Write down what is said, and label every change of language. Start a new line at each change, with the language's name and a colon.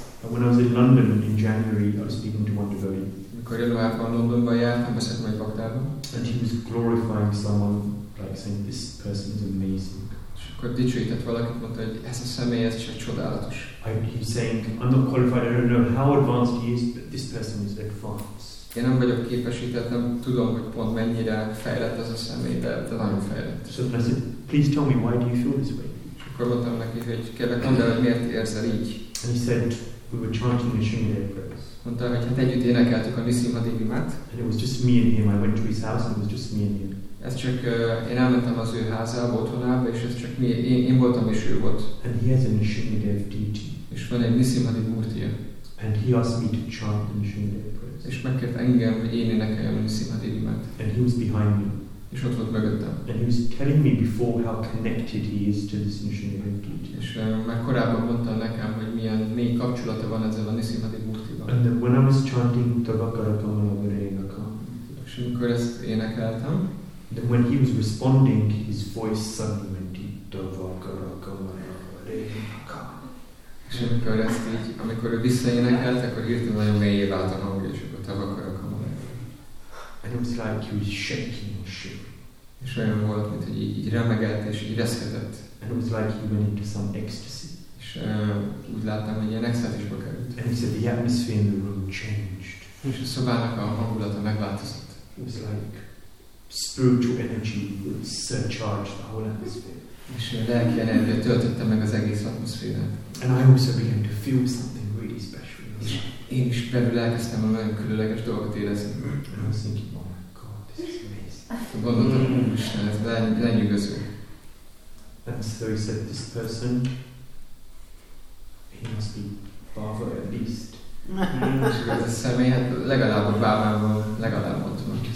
English: When I was in London in January, I was speaking to one devotee. And he was glorifying someone, like saying, this person is amazing. He's saying, I'm not qualified, I don't know how advanced he is, but this person is advanced.
Hungarian: Én nem vagyok képesített, nem tudom, hogy pont mennyire fejlett ez a személy, de nagyon fejlett.
English: So I said, please tell me, why do you feel this way?
Hungarian: És akkor mondtam neki, hogy kérlek, mondd el, miért érzel így?
English: And he said, we were chanting the Shingle prayers.
Hungarian: Mondta, hogy hát együtt énekeltük a Nisimha Devi-mát.
English: And it was just me and him, I went to his house and it was just me and him.
Hungarian: Ez csak én elmentem az ő házába, otthonába, és ez csak mi, én voltam és ő volt.
English: And he has a Nisimha Devi deity.
Hungarian: És van egy Nisimha Devi murtija.
English: And he asked me to chant the Nisimha Devi prayers.
Hungarian: És megkért engem, hogy én énekeljem a Nisimha Devi-mát.
English: And he was behind me.
Hungarian: És ott volt mögöttem.
English: And he was telling me before how connected he is to this Nisimha Devi murti.
Hungarian: És már korábban mondta nekem, hogy milyen mély kapcsolata van ezzel a Nisimha Devi murtival.
English: And then when I was chanting Tavakkara Kamalabhara Enakam.
Hungarian: És amikor ezt énekeltem.
English: Then when he was responding, his voice suddenly went deep.
Sanskrit: Tavakkara Kamalabhara Enakam.
Hungarian: És amikor ezt így, amikor ő visszaénekelt, akkor hirtelen nagyon mélyé vált a hangja, és akkor
Sanskrit: Tavakkara Kamalabhara.
English: And it was like he was shaking and shivering.
Hungarian: És olyan volt, mint hogy így remegett és így reszketett.
English: And it was like he went into some ecstasy.
Hungarian: És úgy láttam, hogy ilyen extázisba került.
English: And he said the atmosphere in the room changed.
Hungarian: És a szobának a hangulata megváltozott.
English: It was like spiritual energy that surcharged the whole atmosphere.
Hungarian: És a lelki energia töltötte meg az egész atmoszférát.
English: And I also began to feel something really special.
Hungarian: Én is belül elkezdtem a nagyon különleges dolgot érezni.
English: And I was thinking, oh my God, this is amazing.
Hungarian: Gondoltam, Isten, ez lenyűgöző.
English: And so he said, this person, he must be Bhava at least.
Hungarian: Csak ez a személy, hát legalább a bábában, legalább ott van.